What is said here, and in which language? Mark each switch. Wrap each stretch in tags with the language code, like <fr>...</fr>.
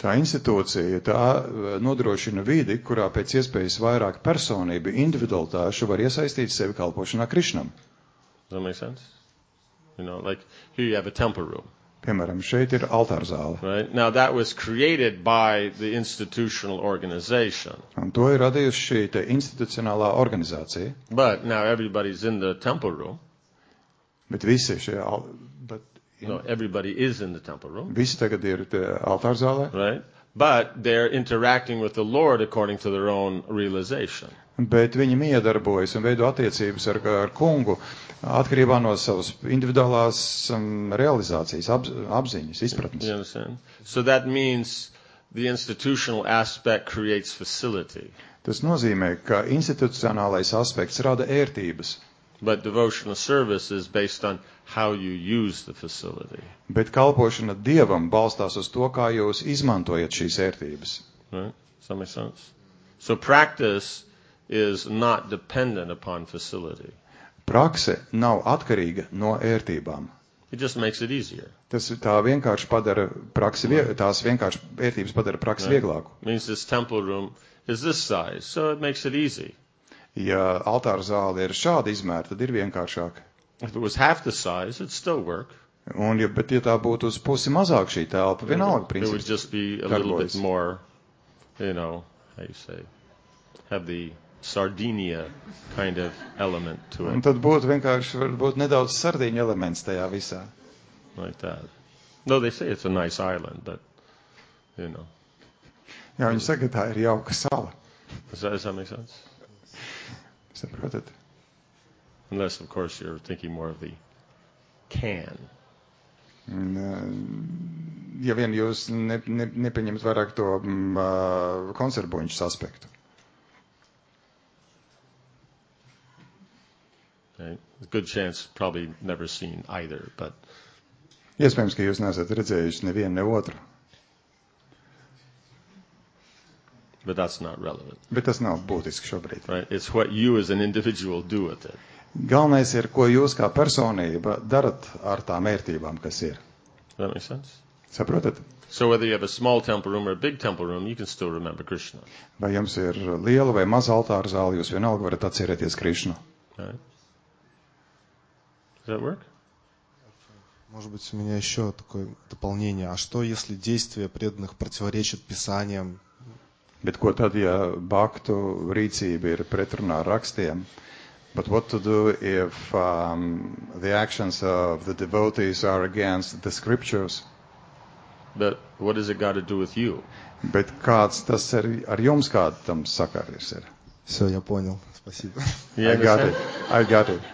<lv>Tā institūcija, tā nodrošina vidi, kurā pēc iespējas vairāk personību individualitāšu var iesaistīt sevi kalpošanā Krišnam.</lv> <en>Does that make sense? You know, like, here you have a temple room.</en> <lv>Piemēram, šeit ir altāra zāle.</lv> <en>Right? Now, that was created by the institutional organization.</en> <lv>Un to ir radījusi šī te institucionālā organizācija.</lv> <en>But now everybody's in the temple room.</en> <lv>Bet visi šajā, but</lv> <en>in, no, everybody is in the temple room.</en> <lv>Visi tagad ir altāra zālē.</lv> <en>Right? But they're interacting with the Lord according to their own realization.</en> <lv>Bet viņi miedarbojas un veido attiecības ar kungu atkarībā no savas individuālās realizācijas, apziņas, izpratnes.</lv> <en>You understand? So that means the institutional aspect creates facility.</en> <lv>Tas nozīmē, ka institucionālais aspekts rada ērtības.</lv> <en>But devotional service is based on how you use the facility.</en> <lv>Bet kalpošana Dievam balstās uz to, kā jūs izmantojat šīs ērtības.</lv> <en>Right? Does that make sense? So practice is not dependent upon facility.</en> <lv>Prakse nav atkarīga no ērtībām.</lv> <en>It just makes it easier.</en> <lv>Tas tā vienkārši padara praksi, tās vienkārši ērtības padara praksi right. Vieglāku.</lv> <en>Means this temple room is this size, so it makes it easy.</en> <lv>Ja altāra zāle ir šāda izmēra, tad ir vienkāršāk.</lv> <en>If it was half the size, it'd still work.</en> <lv>Un, ja, bet ja tā būtu uz pusi mazāk šī telpa, vienalga principi.</lv> <en>It would just be a little bit more, you know, how you say, have the Sardinia kind of element to it.</en> <lv>Un tad būtu vienkārši varbūt nedaudz sardīņu elements tajā visā.</lv> <en>Like that. No, they say it's a nice island, but you know.</en> <lv>Jā, viņi saka, ka tā ir jauka sala.</lv> <en>Does that make sense?</en> <lv>Saprotat?</lv> <en>Unless, of course, you're thinking more of the can.</en> <lv>Ja vien jūs nepieņemat vairāk to konservuņšas aspektu.</lv> <en>Okay. Good chance probably never seen either, but</en> <lv>iespējams, ka jūs neesat redzējuši nevienu ne otru.</lv> <en>But that's not relevant.</en> <lv>Bet tas nav būtiski šobrīd.</lv> <en>Right? It's what you as an individual do with it.</en> <lv>Galvenais ir, ko jūs kā personība darat ar tām vērtībām, kas ir.</lv> <en>That makes sense?</en> <lv>Saprotat?</lv> <en>So whether you have a small temple room or a big temple room, you can still remember Krishna.</en> <lv>Vai jums ir liela vai maza altāra zāle, jūs vienalga varat atcerēties Krishna.</lv> <en>Right? Does that work?</en> <ru>Может быть, у меня еще такое дополнение. А что, если действия преданных противоречат писаниям?</ru> <lv>Bet ko tad, ja baktu rīcība ir pretrunā ar rakstiem?</lv> <en>But what to do if the actions of the devotees are against the scriptures? But what has it got to do with you?</en> <lv>Bet kāds tas ir, ar jums kāds tam sakaris ir?</lv> <ru>Все, я понял. Спасибо.</ru> <en>I got it.</en>